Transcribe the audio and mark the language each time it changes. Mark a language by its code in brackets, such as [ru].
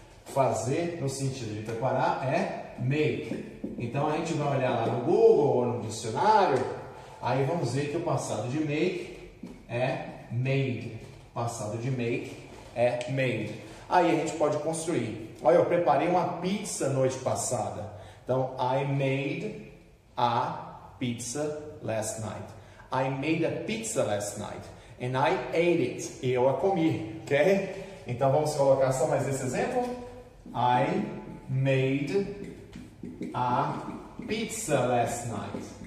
[pt] Fazer no sentido de preparar é make. Então, a gente vai olhar lá no Google ou no dicionário, aí vamos ver que o passado de make é made. Passado de make é made. Aí a gente pode construir. Olha, eu preparei uma pizza noite passada. [en] Então, I made a pizza last night. I made a pizza last night. And I ate it. [pt] E eu a comi. [en] Ok? [pt] Então, vamos colocar só mais esse exemplo. [en] I made a pizza last night.